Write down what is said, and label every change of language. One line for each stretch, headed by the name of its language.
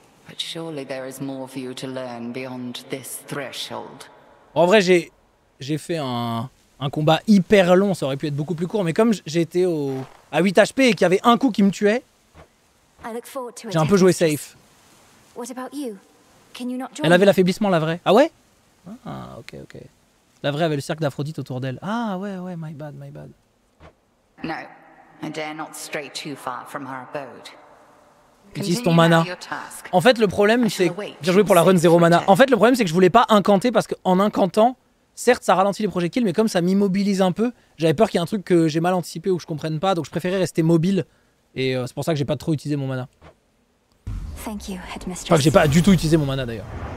English: But surely there is more for you to learn beyond this threshold.
French: En vrai, j'ai fait un combat hyper long, ça aurait pu être beaucoup plus court, mais comme j'étais à 8 HP et qu'il y avait un coup qui me tuait, j'ai un peu joué safe.
English: What about you? Can you not join?
French: Elle avait l'affaiblissement, la vraie. Ah ouais? Ah, ok, ok. La vraie avait le cercle d'Aphrodite autour d'elle. Ah ouais, ouais,
English: my bad, my bad. No, I dare not stray too far from her abode.
French: Utilise ton mana. En fait, le problème, c'est... Bien joué pour la run 0 mana. En fait, le problème, c'est que je voulais pas incanter parce qu'en incantant, certes, ça ralentit les projectiles, mais comme ça m'immobilise un peu, j'avais peur qu'il y ait un truc que j'ai mal anticipé ou que je comprenne pas, donc je préférais rester mobile. Et c'est pour ça que j'ai pas trop utilisé mon mana. Enfin, que j'ai pas du tout utilisé mon mana, d'ailleurs.